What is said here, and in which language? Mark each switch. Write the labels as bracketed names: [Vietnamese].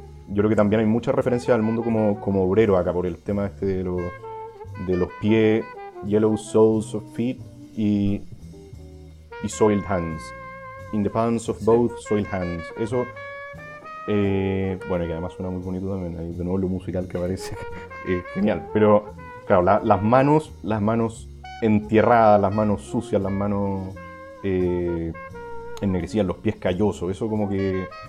[Spanish] Yo creo que también hay muchas referencias al mundo como obrero acá, por el tema este de los pies, [English] yellow soles of feet [Spanish] y [English] soiled hands. In the palms of both, soiled hands. [Spanish] Eso, bueno, y además suena muy bonito también, ahí de nuevo lo musical que aparece, genial. Pero, claro, las manos entierradas, las manos sucias, las manos ennegrecidas, los pies callosos, eso como que...